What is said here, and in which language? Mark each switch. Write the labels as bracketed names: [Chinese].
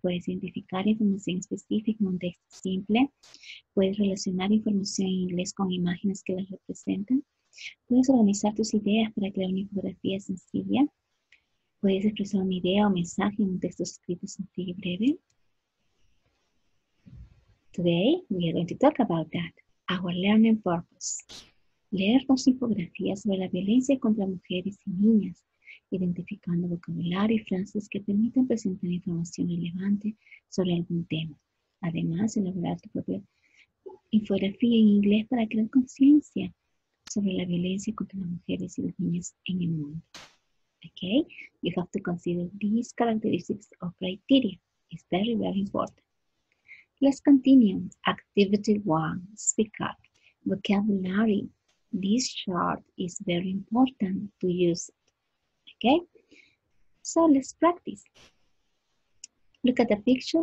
[Spanish] Puedes identificar información específica en un texto simple. Puedes relacionar información en inglés con imágenes que las representan. Puedes organizar tus ideas para crear una infografía sencilla. Puedes expresar una idea o mensaje en un texto escrito sencillo y breve. [English] Today, we are going to talk about that. Our learning purpose. [Spanish] Leer dos infografías sobre la violencia contra mujeres y niñas. Identificando vocabulario y frases que permitan presentar información relevante sobre algún tema. Además, elaborar tu propia infografía en inglés para crear conciencia sobre la violencia contra las mujeres y los niños en el mundo. [English] Okay? You have to consider these characteristics or criteria. It's very, very important. Let's continue. Activity 1. Speak up. Vocabulary. This chart is very important to use. Okay, so let's practice. Look at the picture.